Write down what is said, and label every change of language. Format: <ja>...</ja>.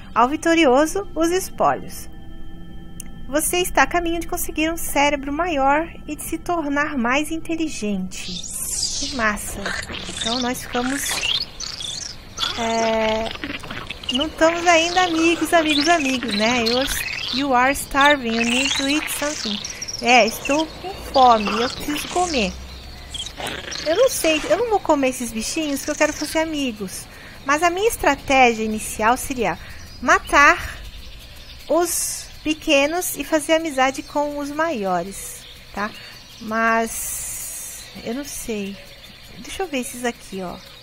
<pt>Ao vitorioso, os espólios. Você está a caminho de conseguir um cérebro maior e de se tornar mais inteligente. Que massa. Então, nós ficamos... não estamos ainda amigos, né?</pt> <en>You are starving. You need to eat something.</en> <pt>Estou com fome. Eu preciso comer. Eu não sei. Eu não vou comer esses bichinhos porque eu quero fazer amigos. Mas a minha estratégia inicial seria matar os pequenos e fazer amizade com os maiores, tá? Mas eu não sei. Deixa eu ver esses aqui, ó.</pt>